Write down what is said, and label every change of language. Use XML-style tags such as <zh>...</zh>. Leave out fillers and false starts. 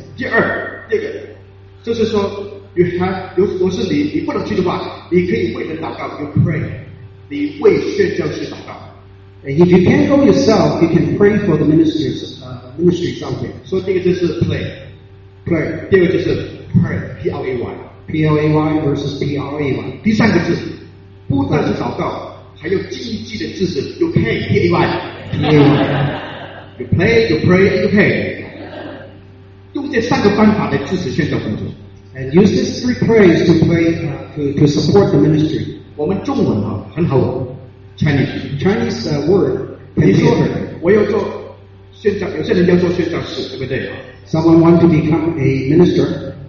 <zh>第二，就是说,</zh> <en>you have,</en> <zh>如果是你不能去的话, 你可以为人祷告,</zh> <en>you pray.</en> <zh>你为宣教士祷告.</zh> <en>And if you can't go yourself, you can pray for the ministers, ministries out there.</en> <zh>So, 第一个就是 play.</zh> <en>Pray.</en> <zh>第二个就是 pray. P-L-A-Y.</zh> <en>P-L-A-Y versus P-R-A-Y.</en> <zh>第三个是, 不但是祷告, 还有经济的知识,</zh> <en>you pay. P-A-Y. P-A-Y. You play, you pray, and you pay.</en> <zh>用这三个方法来支持宣教工作.</zh> <en>And use these three prayers to pray to support the ministry.</en> <zh>我们中文啊, 很好,</zh> <en>Chinese word.</en> <zh>你说, 我要做宣教, 有些人要做宣教士, 对不对?</zh> <en>Someone want to become a minister.</en>